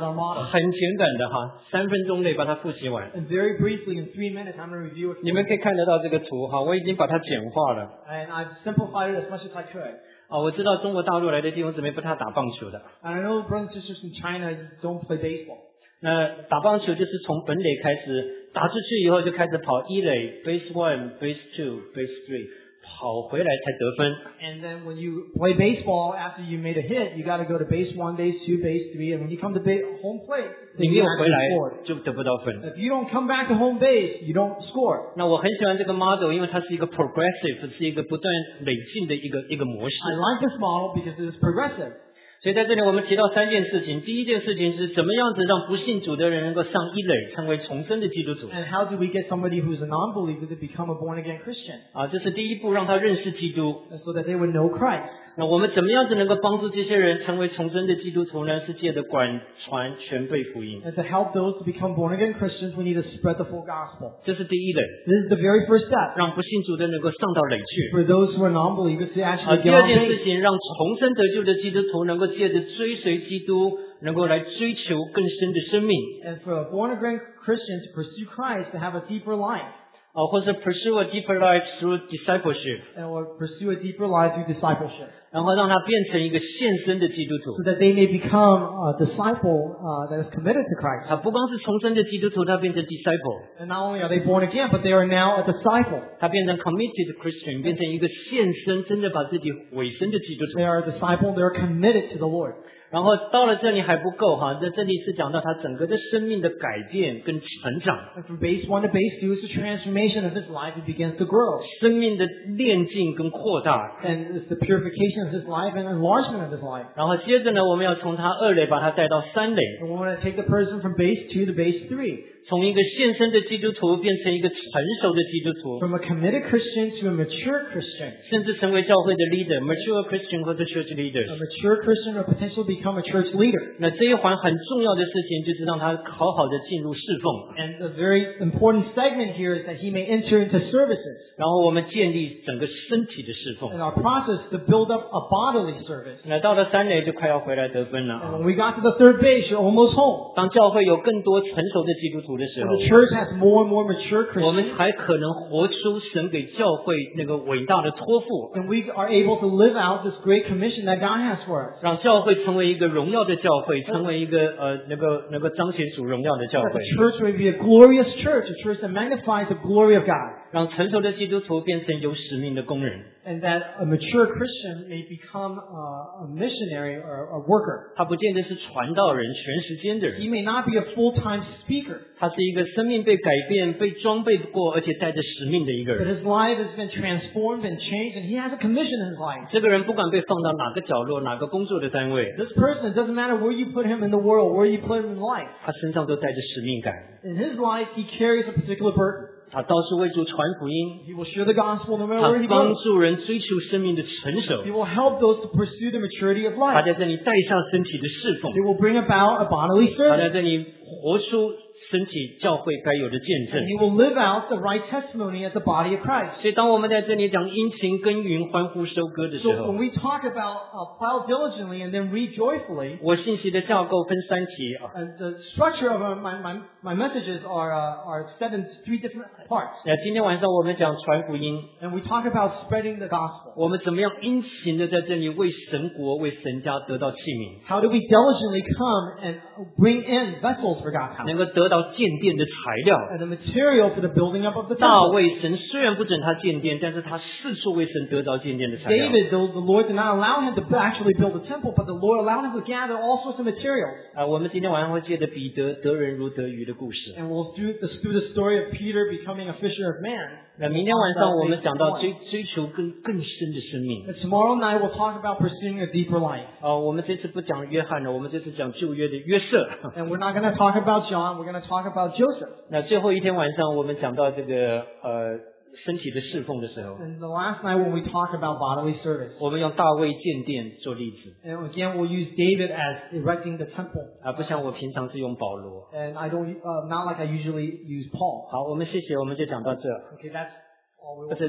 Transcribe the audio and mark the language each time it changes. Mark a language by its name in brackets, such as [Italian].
[English] going to very briefly, in 3 minutes, I'm going to review it. [Chinese] 你们可以看得到这个图，哈，我已经把它简化了。 [English] And I've simplified it as much as I could. [Chinese] 啊，我知道中国大陆来的弟兄姊妹不太打棒球的。 [English] And I know brothers and sisters in China don't play baseball. [Chinese] 那打棒球就是从本垒开始。打出去以后就开始跑一垒 , [English] base 1, base 2, base 3, [Chinese] 跑回来才得分。 [English] And then when you play baseball, after you made a hit, you gotta go to base 1, base 2, base 3, and when you come to home plate, [Chinese] 你没有回来就得不到分。 [English] If you don't come back to home base, you don't score. [Chinese] 那我很喜欢这个 model, 因为它是一个 progressive, 是一个不断累进的一个模式。 [English] I like this model because it is progressive. [Chinese] 所以在这里我们提到三件事情，第一件事情是怎么样子让不信主的人能够上一垒成为重生的基督徒。 [English] And how do we get somebody who's a non-believer to become a born-again Christian? [Chinese] 啊，这是第一步，让他认识基督。 [English] So that they would know Christ. [Chinese] 那我们怎么样子能够帮助这些人成为重生的基督徒呢？是借着管传全备福音。 [English] And to help those to become born-again Christians, we need to spread the full gospel. [Chinese] 这是第一垒。 [English] This is the very first step. [Chinese] 让不信主的人能够上到垒去。 [English] For those who are non-believers to actually get on base. [Chinese] 第二件事情，让重生得救的基督徒能够借着追随基督能够来追求更深的生命。 [English] And for a born again Christian to pursue Christ to have a deeper life. 或是 pursue a deeper life through discipleship. And or pursue a deeper life through discipleship. [Chinese] 然后让他变成一个献身的基督徒。 [English] So that they may become a disciple that is committed to Christ. [Chinese] 他不光是重生的基督徒，他变成 disciple. [English] And not only are they born again, but they are now a disciple. [Chinese] 他变成 [English] committed Christian, [Chinese] 变成一个献身真的把自己委身的基督徒。 [English] They are a disciple, they are committed to the Lord. [Chinese] 然后到了这里还不够哈，在这里是讲到他整个的生命的改变跟成长。 [English] And from base one to base two is the transformation of his life and begins to grow. [Chinese] 生命的炼净跟扩大。 [English] And it's the purification of his life and enlargement of his life. [Chinese] 然后接着呢，我们要从他二垒把他带到三垒。 [English] And we want to take the person from base two to base three. [Chinese] 从一个献身的基督徒变成一个成熟的基督徒 [English] From a committed Christian to a mature Christian [Chinese] 甚至成为教会的 [English] leader mature Christian [Chinese] 或者 [English] church leader a mature Christian or potentially become a church leader [Chinese] 那这一环很重要的事情就是让他好好的进入侍奉 [English] and a very important segment here is that he may enter into services [Chinese] 然后我们建立整个身体的侍奉 [English] and our process to build up a bodily service [Chinese] 那到了三垒就快要回来得分了 [English] and when we got to the third base you're almost home [Chinese] 当教会有更多成熟的基督徒 [English] The church has more and more mature Christians. [Chinese] 我们才可能活出神给教会那个伟大的托付。 [English] And we are able to live out this great commission that God has for us. [Chinese] 让教会成为一个荣耀的教会，成为一个能够彰显主荣耀的教会。 [English] That the church may be a glorious church, a church that magnifies the glory of God. [Chinese] 让成熟的基督徒变成有使命的工人。 [English] And that a mature Christian may become a missionary or a worker. [Chinese] 他不见得是传道人，全时间的人。 [English] He may not be a full-time speaker. [Chinese] 他是一个生命被改变被装备过而且带着使命的一个人 [English] But his life has been transformed and changed and he has a commission in his life [Chinese] 这个人不管被放到哪个角落哪个工作的单位 [English] This person it doesn't matter where you put him in the world where you put him in life [Chinese] 他身上都带着使命感 [English] In his life he carries a particular burden [Chinese] 他到处为主传福音 [English] He will share the gospel no matter where he goes [Chinese] 他帮助人追求生命的成熟 [English] He will help those to pursue the maturity of life [Chinese] 他在这里带上身体的侍奉 [English] He will bring about a bodily service [Chinese] 他在这里活出身体教会该有的见证。 [English] And he will live out the right testimony as the body of Christ. [Chinese] 所以当我们在这里讲殷勤耕耘欢呼收割的时候 [English] So when we talk about plow diligently and then reap joyfully, [Chinese] 我信息的架构分三期、 [English] The structure of my messages are set in three different parts. [Chinese] 今天晚上我们讲传福音 [English] And we talk about spreading the gospel. [Chinese] 我们怎么样殷勤的在这里为神国为神家得到器皿 [English] How do we diligently come and bring in vessels for God's house? [Chinese] 能够得到建殿的材料 [English] and the material for the building up of the temple. [Chinese] 大卫神虽然不准他建殿但是他四处为神得到建殿的材料 [English] David, the Lord did not allow him to actually build a temple but the Lord allowed him to gather all sorts of materials. [Chinese] 我们今天晚上会借着彼得得人如得鱼的故事 [English] and we'll do the story of Peter becoming a fisher of man. [Chinese] 明天晚上我们讲到 追求 更深的生命 [English] and tomorrow night we'll talk about pursuing a deeper life. [Chinese] 我们这次不讲约翰了我们这次讲旧约的约瑟 [English] and we're not going to talk about John. We're going to talk about Joseph. [Chinese] 那最后一天晚上我们讲到这个身体的侍奉的时候 [English] And the last night when we talk about bodily service. [Chinese] 我们用大卫建殿做例子 [English] And again we'll use David as erecting the temple. [Chinese] 不像我平常是用保罗 [English] And I don't, not like I usually use Paul. [Chinese] 好我们谢谢我们就讲到这 [English] Okay, that's all we want to